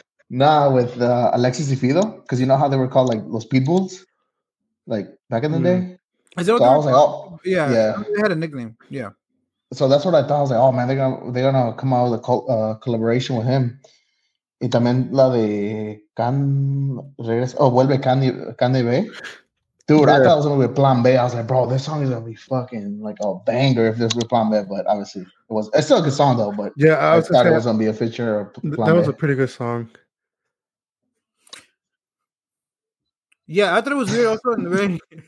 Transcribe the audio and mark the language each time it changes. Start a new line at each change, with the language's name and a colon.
English: Nah, with Alexis y Fido, because you know how they were called, like, Los Pitbulls, like, back in the day? Yeah, they had a nickname, yeah. So that's what I thought. I was like, oh, man, they're gonna come out with a collaboration with him.
Spanish: Y también la de Can Regresa, Vuelve Candy B.
English: Dude, yeah. I thought it was going to be Plan B. I was like, bro, this song is going to be fucking like a banger if this was Plan B. But obviously, it's still a good song though. But yeah, I thought it was going to be a feature of Plan B. That was a pretty good song. Yeah, I thought it was weird also in the rain.